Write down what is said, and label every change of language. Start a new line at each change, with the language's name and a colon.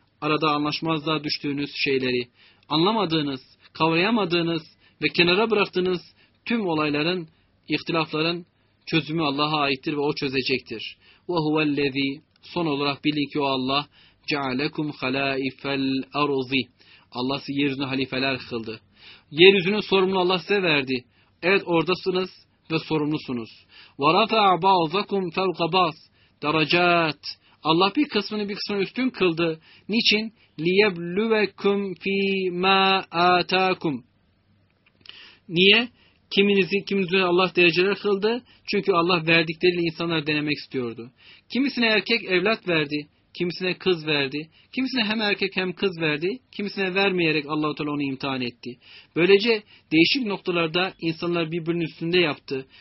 Turkish: Arada anlaşmazlığa düştüğünüz şeyleri, anlamadığınız, kavrayamadığınız ve kenara bıraktığınız tüm olayların, ihtilafların çözümü Allah'a aittir ve O çözecektir.
Arabic: وَهُوَ الَّذ۪ي
Turkish: Son olarak bilin ki O Allah
Arabic: جَعَلَكُمْ خَلَائِفَ الْأَرُض۪ي
Turkish: Allah size yeryüzünü halifeler kıldı. Yeryüzünün sorumluluğunu Allah size verdi. Evet, oradasınız ve sorumlusunuz.
Arabic: وَرَفَعَ بَعْضَكُمْ فَالْقَبَاسِ Derecat.
Turkish: Allah bir kısmını bir kısmını üstün kıldı. Niçin?
Arabic: لِيَبْلُوَكُمْ فِي مَا آتَاكُمْ
Turkish: Niye? Kiminizi Allah dereceler kıldı. Çünkü Allah verdikleriyle insanlar denemek istiyordu. Kimisine erkek evlat verdi. Kimisine kız verdi. Kimisine hem erkek hem kız verdi. Kimisine vermeyerek Allah-u Teala onu imtihan etti. Böylece değişik noktalarda insanlar birbirinin üstünde yaptı.